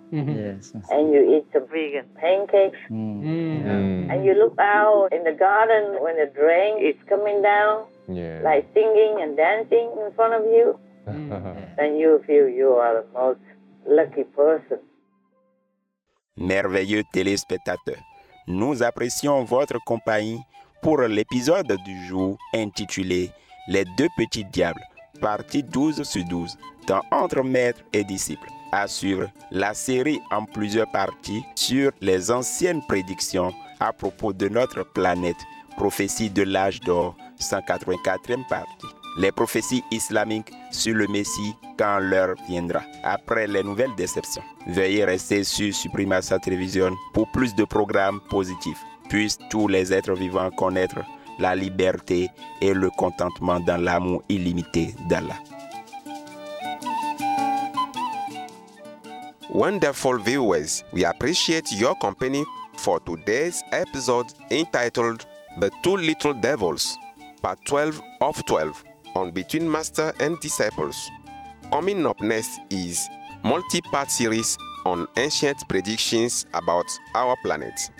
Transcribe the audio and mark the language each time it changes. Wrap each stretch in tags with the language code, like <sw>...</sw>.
<en>Yes. And you eat some vegan pancakes. Mm. Yeah. And you look out in the garden when the rain is coming down, yeah, like singing and dancing in front of you. Then you feel you are the most lucky person.</en> <fr>Merveilleux téléspectateurs, nous apprécions votre compagnie pour l'épisode du jour intitulé « Les deux petits diables, partie 12/12 » dans Entre Maître et Disciple. À suivre la série en plusieurs parties sur les anciennes prédictions à propos de notre planète, prophétie de l'âge d'or, 184e partie. Les prophéties islamiques sur le Messie quand l'heure viendra, après les nouvelles déceptions. Veuillez rester sur Suprimassa Télévision pour plus de programmes positifs. Puissent tous les êtres vivants connaître la liberté et le contentement dans l'amour illimité d'Allah.</fr> <en>Wonderful viewers, we appreciate your company for today's episode entitled The Two Little Devils, Part 12 of 12. On Between Master and Disciples. Coming up next is multi-part series on ancient predictions about our planet.</en>